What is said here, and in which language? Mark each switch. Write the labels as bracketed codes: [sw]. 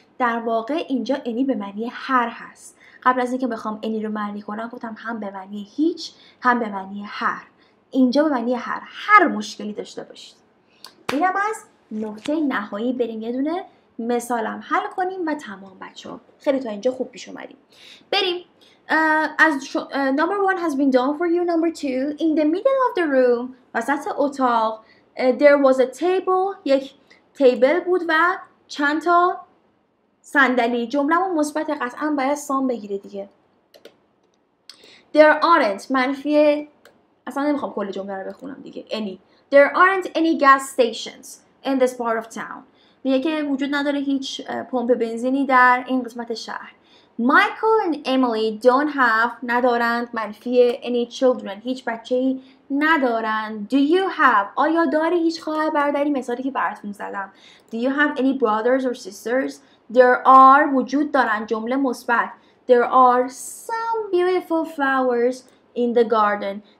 [fa] در واقع اینجا any به معنی هر هست. قبل از اینکه بخوام any رو معنی کنم گفتم هم به معنی هیچ هم به معنی هر. اینجا به معنی هر مشکلی داشته باشید. اینم از نقطه نهایی. بریم یه دونه مثالم حل کنیم و تمام بچه ها. خیلی تا اینجا خوب پیش اومدیم. بریم [en] as number one has been done for you. Number two, in the middle of the room, [fa] وسط اتاق, [en] there was a table, [fa] یک تیبل بود و چند تا صندلی. جمله‌مون مثبت قطعاً باید سام بگیره دیگه. [en] There aren't, [fa] منفی, اصلا نمیخوام کل جمله رو بخونم دیگه. [en] Any, there aren't any gas stations in this part of town. [fa] میگه که وجود نداره هیچ پمپ بنزینی در این قسمت شهر. [en] Michael and Emily don't have, [fa] ندارند, منفی, [en] any children, [fa] هیچ بچه‌ای ندارند. [en] Do you have, [fa] آیا داری هیچ خواهر برادری, مثالی که براتون زدم. [en] Do you have any brothers or sisters? There are, [fa] وجود دارند, جمله مثبت. [en] There are some beautiful flowers in the garden.